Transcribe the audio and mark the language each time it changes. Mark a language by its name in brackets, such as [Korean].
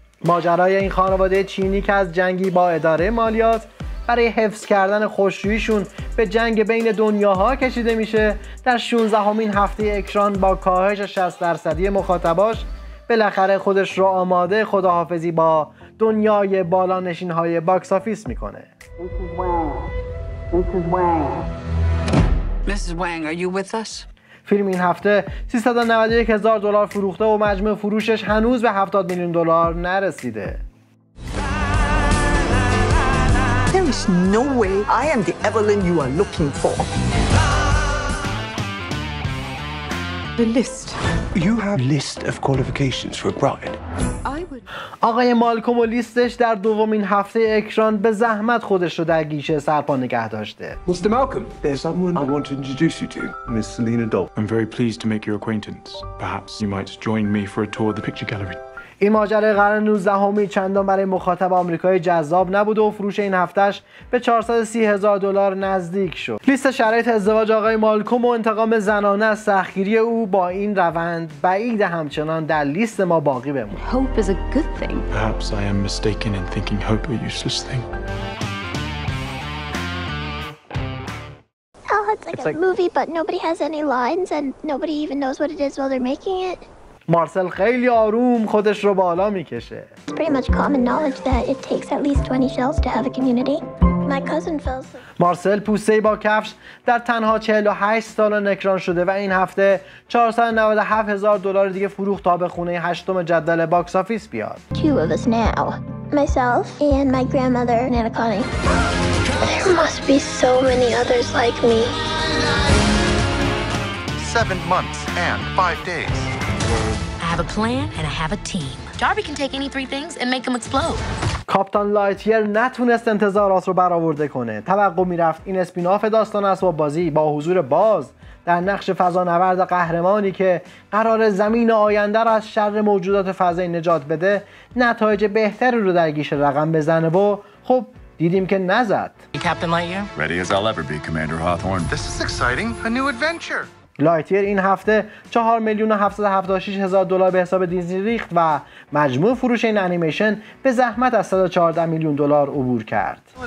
[Persian] ماجرای این خانواده چینی که از جنگی با اداره مالیات برای حفظ کردن خوشرویشون به جنگ بین دنیاها کشیده میشه در 16 هفته اکران با کاهش 60% مخاطباش بالاخره خودش رو آماده خداحافظی با دنیای بالانشین های باکس آفیس میکنه. فیلم این هفته $391,000 فروخته و مجموع فروشش هنوز به $70 میلیون نرسیده. [English] There is no way I am the Evelyn you are looking for. The list. You have list of qualifications for a bride. I would [Persian] آقای مالکوم و لیستش در دومین هفته اکران به زحمت خودش رو در گیشه سرپا نگه داشته. [English] Mr. Malcolm, there's someone I want to introduce you to. Miss Selena Dole. I'm very pleased to make your acquaintance. Perhaps you might join me for a tour of the picture gallery. [Persian] این ماجرای قرن 19 همی چندان برای مخاطب آمریکایی جذاب نبود و فروش این هفتهش به 430 هزار دلار نزدیک شد. لیست شرایط ازدواج آقای مالکوم و انتقام زنانه از سختگیری او با این روند بعید همچنان در لیست ما باقی بمونه. [English] Hope is a good thing. Perhaps I am mistaken in thinking hope a useless thing. Oh, it's like a movie, but nobody has any lines and nobody even knows what it is while they're making it. [Persian] مارسل خیلی آروم خودش رو بالا میکشه. مارسل پوسته با کفش در تنها 48 سال نکران شده و این هفته 497 هزار دلار دیگه فروخت تا به خونه هشتم جدول باکس آفیس بیاد. [English] Two of us now. Myself and my grandmother Nana Connie. There must be so many others like me. 7 months and 5 days. I have a plan and I have a team. Darby can take any three things and make them explode. [Persian] کاپتان لایتیر نتونست انتظارات رو برآورده کنه. توقع میرفت این اسپین‌آف داستان است و بازی با حضور باز در نقش فضانورد قهرمانی که قرار زمین آینده را از شر موجودات فضایی نجات بده، نتایج بهتری رو در گیشه رقم بزنه و خب دیدیم که نزد. [English] Captain Lightyear. Ready as I'll ever be, Commander Hawthorne. This is exciting, a new adventure. [Persian] لایتیر این هفته 4,776,000 دلار به حساب دیزنی ریخت و مجموع فروش این انیمیشن به زحمت از 114 میلیون دلار عبور کرد.